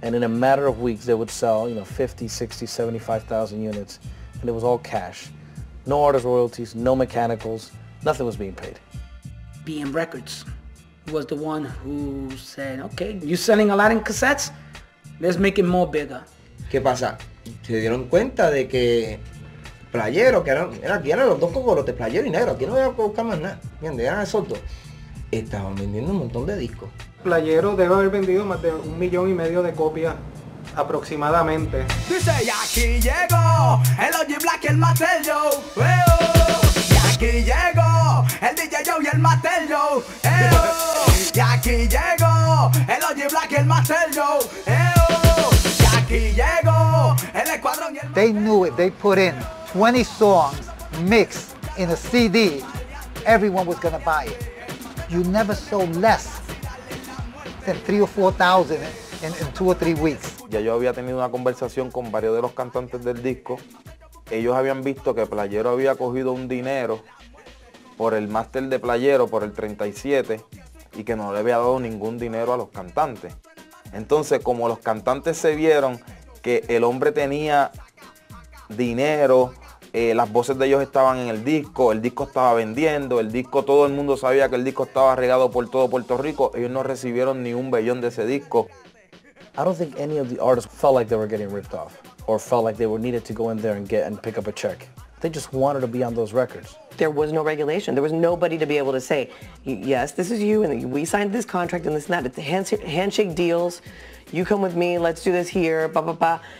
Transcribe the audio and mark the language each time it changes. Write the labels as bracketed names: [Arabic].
[English] And in a matter of weeks, they would sell, you know, 50, 60, 75,000 units, and it was all cash. No artist royalties, no mechanicals, nothing was being paid. BM Records was the one who said, okay, you're selling a lot in cassettes, let's make it more bigger. [Spanish] ¿Qué pasa? Se dieron cuenta de que Playero, que eran los dos cocorotes, Playero y Negro, aquí no iba a buscar más nada, ¿entiendes? Eran esos dos. Estaban vendiendo un montón de discos. Playero debe haber vendido más de 1.5 millones de copias. Aproximadamente. Dice, y aquí llegó el OG Black y el Master Joe. Y aquí llegó el DJ Joe y el Master Joe. Y aquí llegó el OG Black y el Master Joe. Y aquí llegó el Escuadrón y el [English] Master Joe. They knew if they put in 20 songs mixed in a CD, everyone was gonna buy it. You never sold less than 3,000 or 4,000 in 2 or 3 weeks. [Spanish] Ya yo había tenido una conversación con varios de los cantantes del disco. Ellos habían visto que Playero había cogido un dinero por el máster de Playero, por el 37, y que no le había dado ningún dinero a los cantantes. Entonces, como los cantantes se vieron que el hombre tenía dinero, las voces de ellos estaban en el disco estaba vendiendo, el disco, todo el mundo sabía que el disco estaba regado por todo Puerto Rico, ellos no recibieron ni un vellón de ese disco. [English] I don't think any of the artists felt like they were getting ripped off or felt like they were needed to go in there and get and pick up a check. They just wanted to be on those records. There was no regulation. There was nobody to be able to say, yes, this is you, and we signed this contract and this and that. It's handshake deals. You come with me, let's do this here, blah, blah, blah.